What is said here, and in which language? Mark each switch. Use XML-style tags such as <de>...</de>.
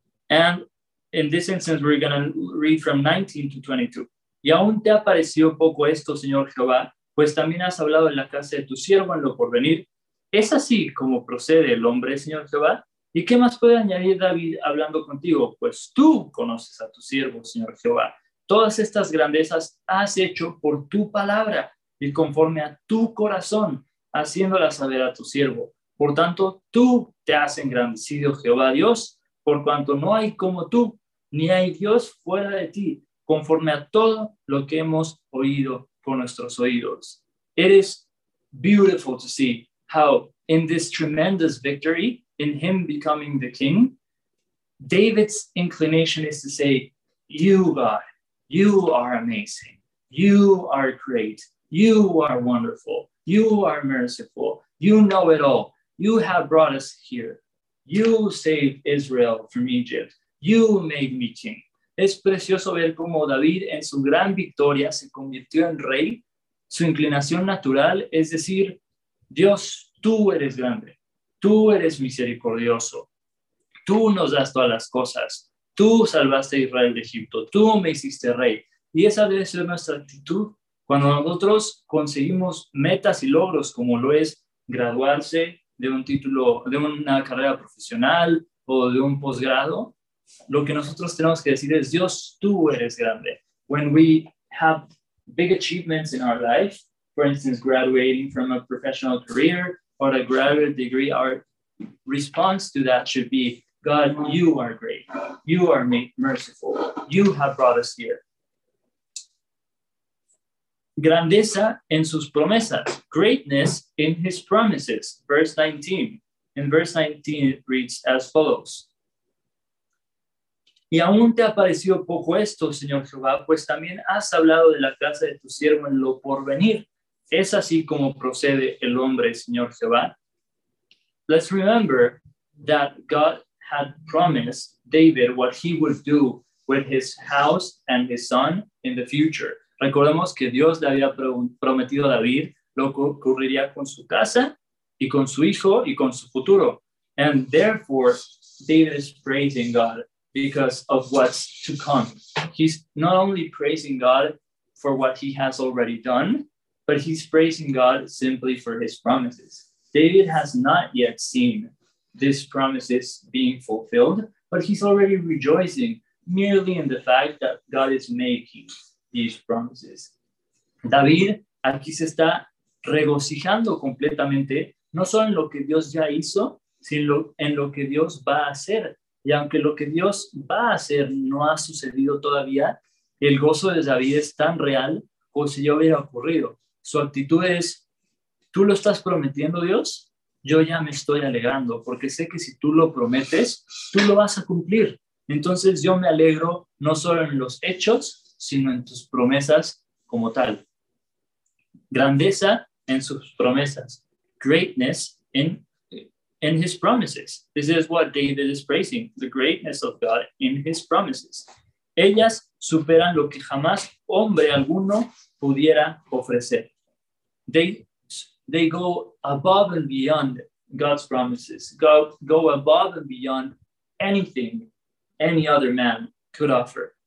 <en>And in this instance, we're going to read from 19 to 22.</en> <es>Y aún te ha parecido poco esto, Señor Jehová, pues también has hablado en la casa de tu siervo en lo porvenir. ¿Es así como procede el hombre, Señor Jehová? ¿Y qué más puede añadir David hablando contigo? Pues tú conoces a tu siervo, Señor Jehová. Todas estas grandezas has hecho por tu palabra y conforme a tu corazón, haciéndolas saber a tu siervo. Por tanto, tú te has engrandecido, Jehová Dios, por cuanto no hay como tú, ni hay Dios fuera de ti, conforme a todo lo que hemos oído con nuestros oídos.</es> <en>It is beautiful to see how in this tremendous victory, in him becoming the king, David's inclination is to say, you, God, you are amazing. You are great. You are wonderful. You are merciful. You know it all. You have brought us here. You saved Israel from Egypt. You made me king.</en> <es>Es precioso ver cómo David en su gran victoria se convirtió en rey. Su inclinación natural es decir, Dios, tú eres grande. Tú eres misericordioso. Tú nos das todas las cosas. Tú salvaste a Israel de Egipto. Tú me hiciste rey. Y esa debe ser nuestra actitud cuando nosotros conseguimos metas y logros como lo es graduarse de un título, de una carrera profesional o de un posgrado. Lo que nosotros tenemos que decir es, Dios, tú eres grande.</es> <en>When we have big achievements in our life, for instance, graduating from a professional career or a graduate degree, our response to that should be, God, you are great. You are merciful. You have brought us here.</en> <es>Grandeza en sus promesas.</es> <en>Greatness in his promises. Verse 19. In verse 19, it reads as follows.</en> <es>Y aún te ha parecido poco esto, Señor Jehová, pues también has hablado de la casa de tu siervo en lo porvenir. Es así como procede el hombre, Señor Jehová.</es> <en>Let's remember that God had promised David what he would do with his house and his son in the future.</en> <es>Recordemos que Dios le había prometido a David lo que ocurriría con su casa y con su hijo y con su futuro.</es> <en>And therefore, David is praising God because of what's to come. He's not only praising God for what he has already done, but he's praising God simply for his promises. David has not yet seen these promises being fulfilled, but he's already rejoicing merely in the fact that God is making these promises.</en> <es>David aquí se está regocijando completamente, no solo en lo que Dios ya hizo, sino en lo que Dios va a hacer. Y aunque lo que Dios va a hacer no ha sucedido todavía, el gozo de David es tan real como si ya hubiera ocurrido. Su actitud es, tú lo estás prometiendo, Dios, yo ya me estoy alegrando, porque sé que si tú lo prometes, tú lo vas a cumplir. Entonces yo me alegro no solo en los hechos, sino en tus promesas como tal. Grandeza en sus promesas.</es> <en>Greatness in his promises. This is what David is praising, the greatness of God in his promises.</en> <es>Ellas superan lo que jamás hombre alguno pudiera ofrecer.</es> <en>They go above and beyond God's promises. Go above and beyond anything any other man could offer.</en>